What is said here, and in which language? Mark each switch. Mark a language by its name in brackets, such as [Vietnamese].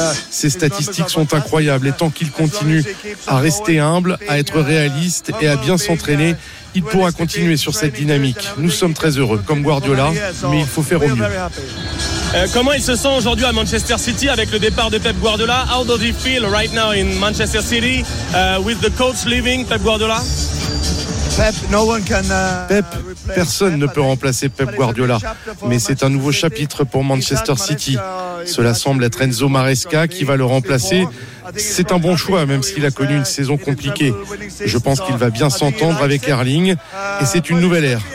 [French] Ses statistiques sont incroyables, et tant qu'il continue à rester humble, à être réaliste et à bien s'entraîner, il pourra continuer sur cette dynamique. Nous sommes très heureux, comme Guardiola, mais il faut faire au mieux. Comment il se sent aujourd'hui à Manchester City avec le départ de Pep Guardiola? [English] How does he feel right now in Manchester City with the coach leaving, Pep Guardiola? [French] Pep, personne ne peut remplacer Pep Guardiola. Mais c'est un nouveau chapitre pour Manchester City. Cela semble être Enzo Maresca qui va le remplacer. C'est un bon choix, même s'il a connu une saison compliquée. Je pense qu'il va bien s'entendre avec Erling. Et c'est une nouvelle ère.